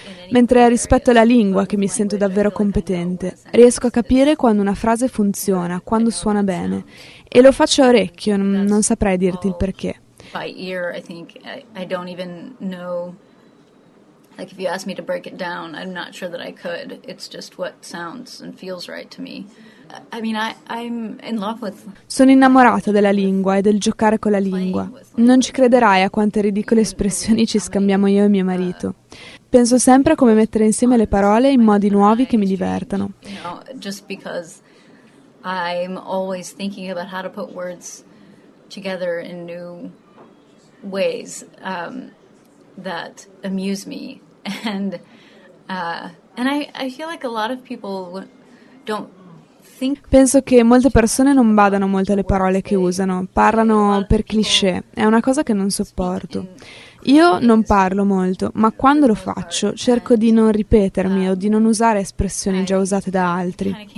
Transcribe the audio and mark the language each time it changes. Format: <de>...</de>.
<it>Mentre rispetto alla lingua che mi sento davvero competente, riesco a capire quando una frase funziona, quando suona bene, e lo faccio a orecchio, non saprei dirti il perché.</it> <en>By ear, I think I don't even know. Like if you ask me to break it down, I'm not sure that I could. It's just what sounds and feels right to me. I mean, I'm in love with.</en> <it>Sono innamorata della lingua e del giocare con la lingua. Non ci crederai a quante ridicole espressioni ci scambiamo io e mio marito. Penso sempre a come mettere insieme le parole in modi nuovi che mi divertano.</it> <en>Just because I'm always thinking about how to put words together in new ways that amuse me. And I feel like a lot of people don't.</en> <it>Penso che molte persone non badano molto alle parole che usano, parlano per cliché, è una cosa che non sopporto. Io non parlo molto, ma quando lo faccio cerco di non ripetermi o di non usare espressioni già usate da altri.</it>